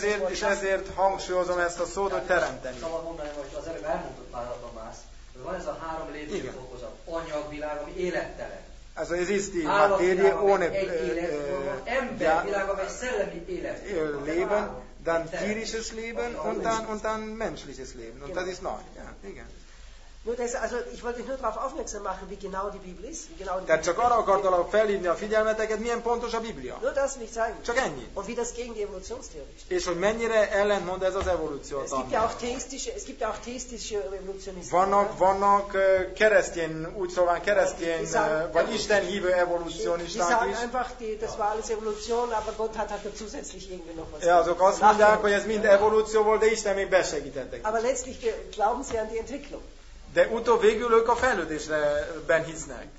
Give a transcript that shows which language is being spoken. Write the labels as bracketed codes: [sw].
[hu] És ezért hangsúlyozom ezt a szót, hogy teremteni. Szabad mondani, hogy az előbb elmondott már a Tamás, hogy van ez a három létező fokozat, anyagvilág, ami élettelen. [de] Also es ist die Materie ohne Leben, dann tierisches Leben und dann menschliches Leben. Und genau. Das ist neu. Ja, nur das, also ich wollte dich nur darauf aufmerksam machen, wie genau die Bibel ist. Wie genau die [hu] tehát csak arra akartalak felhívni a figyelmeteket, milyen pontos a Biblia. [de] Nur das nicht sagen. [hu] Csak ennyi. [de] Und wie das gegen die Evolutionstheorie ist. [hu] És hogy mennyire ellentmond ez az evolúció. [de] Es gibt ja auch theistische Evolutionisten. [hu] Vannak keresztjén, úgy szóval keresztjén, vagy Isten hívő evolutionisták is. [de] Die sagen einfach, das war alles Evolution, aber Gott hat da zusätzlich irgendwie noch was. [hu] Ja, azok azt mondják, hogy ez mind evolúció volt, de Isten még besegítettek. [de] Aber letztlich glauben sie an die Entwicklung. [hu] De utóbb végül ők a fejlődésben hisznek.